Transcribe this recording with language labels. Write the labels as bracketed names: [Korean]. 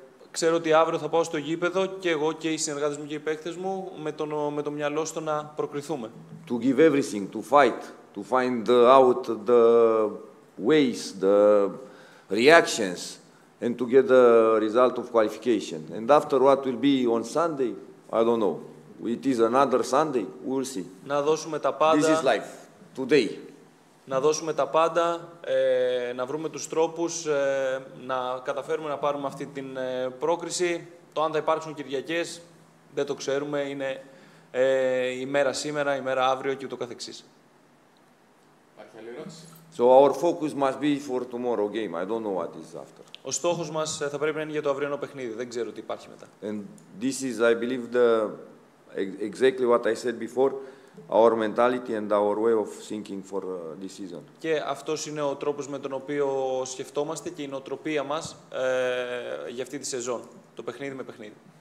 [Greek] Ξέρω ότι αύριο θα πάω στο γήπεδο και εγώ και οι συνεργάτες μου και οι παίκτες μου με το μυαλό στο να προκριθούμε. [English] To give everything, to fight, to find out the ways, the reactions, and to get the result of qualification. And after what will be on Sunday, I don't know. It is another Sunday. We'll see. [Greek] Να δώσουμε τα πάντα. [English] This is life. Today. [Greek] Να δώσουμε τα πάντα, να βρούμε τους τρόπους, να καταφέρουμε να πάρουμε αυτή την πρόκριση. Το αν θα υπάρξουν Κυριακές, δεν το ξέρουμε. Είναι η μέρα σήμερα, η μέρα αύριο και ούτω καθεξής. Υπάρχει άλλη ερώτηση? [English] So our focus must be for tomorrow game. I don't know what is after. [Greek] Ο στόχος μας θα πρέπει να είναι για το αυριανό παιχνίδι. Δεν ξέρω τι υπάρχει μετά. [English] And this is, I believe, the exactly what I said before, our mentality and our way of thinking for this season. [Greek] Και αυτός είναι ο τρόπος με τον οποίο σκεφτόμαστε και η νοοτροπία μας για αυτή τη σεζόν. Το παιχνίδι με παιχνίδι.